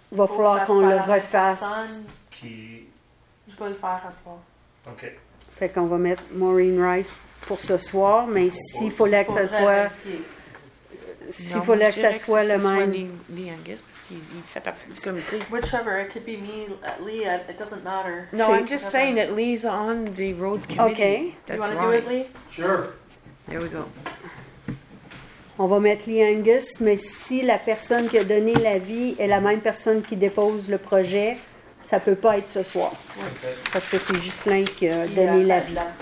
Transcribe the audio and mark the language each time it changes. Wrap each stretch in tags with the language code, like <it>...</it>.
<fr>Il va falloir qu'on le refasse. Je vais le faire à soir. OK. Fait qu'on va mettre Maureen Rice pour ce soir, mais s'il fallait que ça soit... S'il fallait que ça soit le même... Lee,</fr> <en>I guess,</en> <fr>parce qu'il fait partie du comité.</fr> <en>Whichever, it could be me, Lee, it doesn't matter. No, I'm just saying that Lee's on the roads committee. Okay. That's you want to do it, Lee? Sure. There we go.</en> <fr>On va mettre Lee Angus, mais si la personne qui a donné l'avis est la même personne qui dépose le projet, ça ne peut pas être ce soir.</fr> <en>Okay.</en> <fr>Parce que c'est Ghislain qui a donné l'avis.</fr>